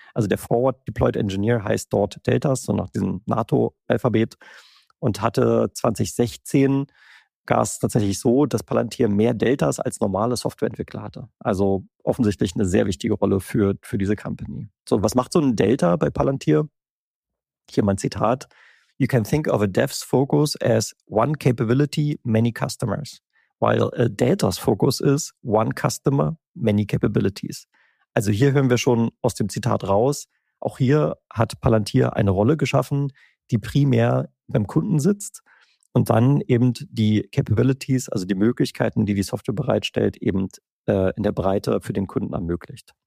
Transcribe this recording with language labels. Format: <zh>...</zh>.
<de>Also der Forward Deployed Engineer heißt dort Deltas, so nach diesem NATO-Alphabet. Und hatte 2016 gab es tatsächlich so, dass Palantir mehr Deltas als normale Softwareentwickler hatte. Also offensichtlich eine sehr wichtige Rolle für diese Company. So, was macht so ein Delta bei Palantir? Hier mein Zitat.</de> <en>You can think of a Dev's focus as one capability, many customers. While a Delta's focus is one customer, many capabilities.</en> <de>Also hier hören wir schon aus dem Zitat raus. Auch hier hat Palantir eine Rolle geschaffen, die primär beim Kunden sitzt. Und dann eben die Capabilities, also die Möglichkeiten, die die Software bereitstellt, eben in der Breite für den Kunden ermöglicht.</de>